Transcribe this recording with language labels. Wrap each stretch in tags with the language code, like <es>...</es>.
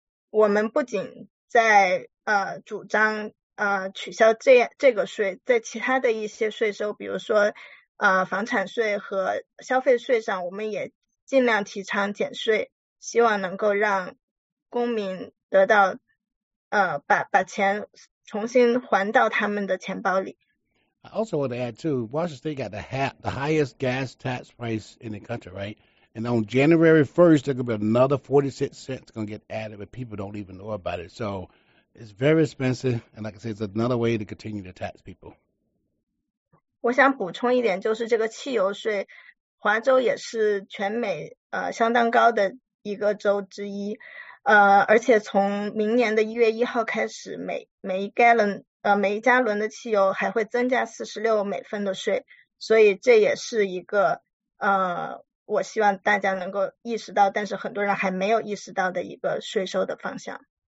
<zh>我们不仅在主张取消这个税，在其他的一些税收，比如说房产税和消费税上，我们也尽量提倡减税，希望能够让公民得到把钱重新还到他们的钱包里。</zh> <en>I also want to add too, Washington State got the highest gas tax price in the country, right? And on January 1st, there's going to be another 46 cents going to get added, but people don't even know about it. So it's very expensive, and like I said, it's another way to continue to tax people.</en> <zh>我想补充一点，就是这个汽油税，华州也是全美相当高的一个州之一，而且从明年的1月1号开始，每一加仑的汽油还会增加46美分的税，所以这也是一个我希望大家能够意识到，但是很多人还没有意识到的一个税收的方向。</zh>